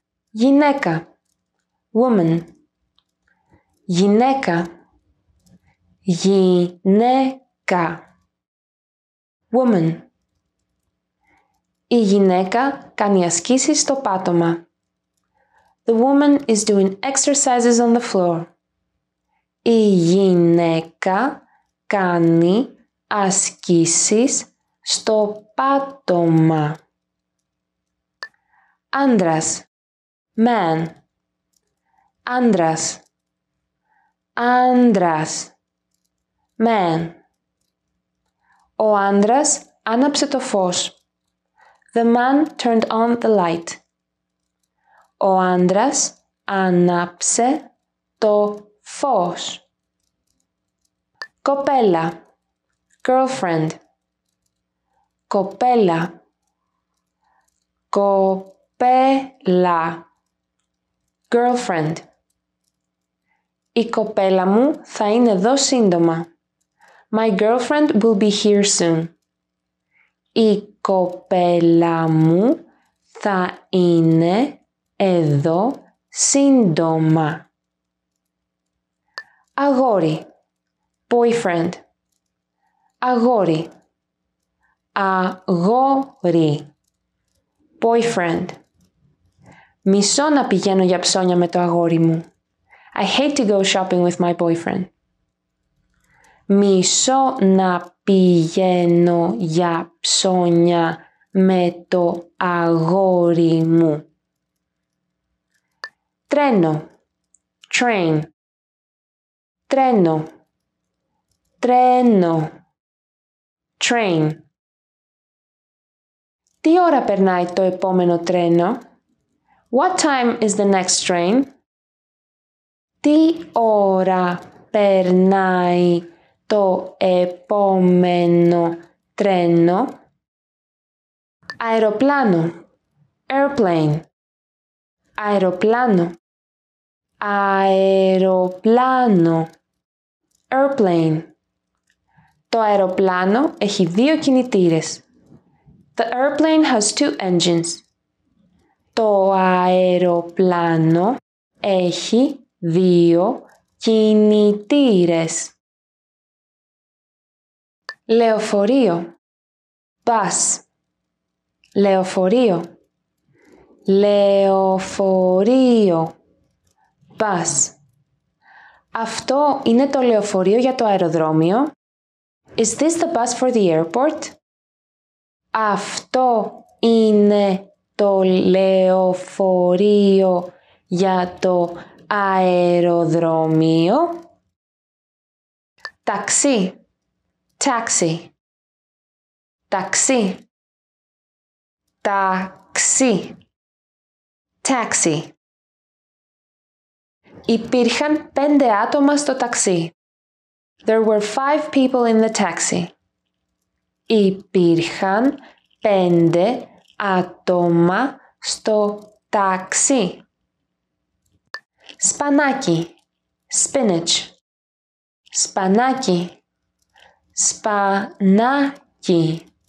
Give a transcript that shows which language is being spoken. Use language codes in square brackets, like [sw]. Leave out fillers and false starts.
[el] Γυναίκα. [en] Woman. [el] Γυναίκα. Γυναίκα. [en] Woman. [el] Η γυναίκα κάνει ασκήσεις στο πάτωμα. [en] The woman is doing exercises on the floor. [el] Η γυναίκα κάνει ασκήσεις στο πάτωμα. Άντρας. [en] Man. [el] Άντρας. Άντρας. [en] Man. [el] Ο άντρας άναψε το φως. [en] The man turned on the light. [el] Ο άντρας άναψε το Φως. Κοπέλα. [en] Girlfriend. [el] Κοπέλα. Κοπέλα. [en] Girlfriend. [el] Η κοπέλα μου θα είναι εδώ σύντομα. [en] My girlfriend will be here soon. [el] Η κοπέλα μου θα είναι εδώ σύντομα. Αγόρι. [en] Boyfriend. [el] Αγόρι. Αγόρι. [en] Boyfriend. [el] Μισώ να πηγαίνω για ψώνια με το αγόρι μου. [en] I hate to go shopping with my boyfriend. [el] Μισώ να πηγαίνω για ψώνια με το αγόρι μου. Τρένο. [en] Train. [el] Τρένο. Τρένο. [en] Train. [el] Τι ώρα περνάει το επόμενο τρένο? [en] What time is the next train? [el] Τι ώρα περνάει το επόμενο τρένο? Αεροπλάνο. [en] Airplane. [el] Αεροπλάνο. Αεροπλάνο. [en] Airplane. [el] Το αεροπλάνο έχει δύο κινητήρες. [en] The airplane has two engines. [el] Το αεροπλάνο έχει δύο κινητήρες. Λεωφορείο. [en] Bus. [el] Λεωφορείο. Λεωφορείο. [en] Bus. [el] Αυτό είναι το λεωφορείο για το αεροδρόμιο. [en] Is this the bus for the airport? [el] Αυτό είναι το λεωφορείο για το αεροδρόμιο. Ταξί. [en] Taxi. [el] Ταξί. Ταξί. [en] Taxi. [el] Υπήρχαν πέντε άτομα στο ταξί. [en] There were five people in the taxi. [el] Υπήρχαν πέντε άτομα στο ταξί. Σπανάκι. [en] Spinach. [el] Σπανάκι. Σπανάκι.